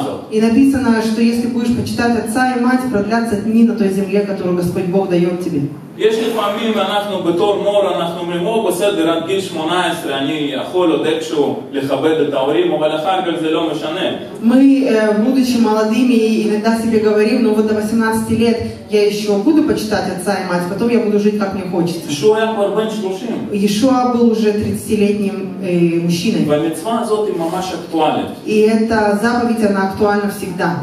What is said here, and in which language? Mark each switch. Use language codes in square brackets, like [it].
[ru] И написано, что если будешь почитать отца и мать, продлятся дни на той земле, которую Господь Бог дает тебе. [he] יש לפעמים אנחנו בתור מור, אנחנו אומרים, או בסדר, עד גיל 18 אני יכול עוד איכשהו לכבד את ההורים, אבל אחר כך זה לא משנה. [ru] Мы, будучи молодыми, иногда себе говорим, ну вот до 18 лет я еще буду почитать отца и мать, потом я буду жить, как мне хочется. Ишуа был уже 30-летним. Ишуа был уже 30-летним мужчиной. [he] Ва митцва азот и мамаш актуалит. [ru] И эта заповедь, она актуальна всегда.